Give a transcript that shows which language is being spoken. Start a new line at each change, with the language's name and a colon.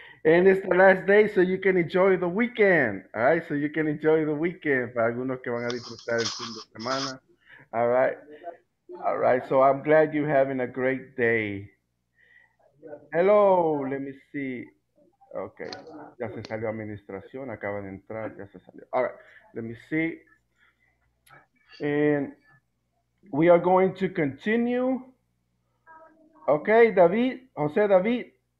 English: And it's the last day, so you can enjoy the weekend. All right, so you can enjoy the weekend.
Spanish: Para algunos que van a disfrutar el fin de semana.
English: All right. All right, so I'm glad you're having a great day. Hello, let me see.
Spanish: Okay, ya se salió administración, acaba de entrar, ya se salió.
English: All right, let me see. And we are going to continue. Okay, David, José David.